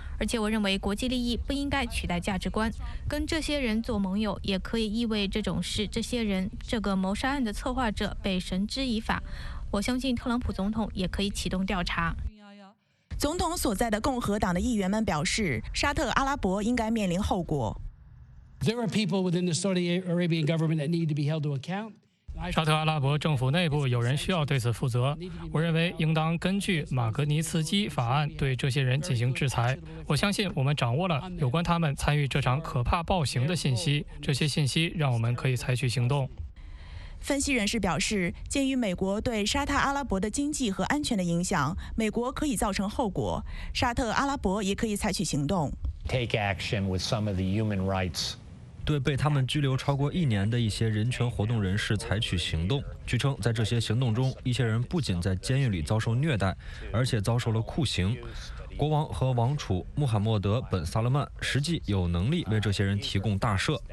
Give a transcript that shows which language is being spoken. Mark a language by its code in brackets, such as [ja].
[zh] 而且我认为国际利益不应该取代价值观。跟这些人做盟友也可以意味这种事。这些人，这个谋杀案的策划者被绳之以法。我相信特朗普总统也可以启动调查。总统所在的共和党的议员们表示，沙特阿拉伯应该面临后果。 [en] There are people within the Saudi Arabian government that need to be held to account. [zh] 沙特阿拉伯政府内部有人需要对此负责，我认为应当根据马格尼茨基法案对这些人进行制裁。我相信我们掌握了有关他们参与这场可怕暴行的信息，这些信息让我们可以采取行动。分析人士表示，鉴于美国对沙特阿拉伯的经济和安全的影响，美国可以造成后果，沙特阿拉伯也可以采取行动。 [en] Take action with some of the human rights. [zh] 对被他们拘留超过一年的一些人权活动人士采取行动。据称，在这些行动中，一些人不仅在监狱里遭受虐待，而且遭受了酷刑。国王和王储穆罕默德·本·萨勒曼实际有能力为这些人提供大赦。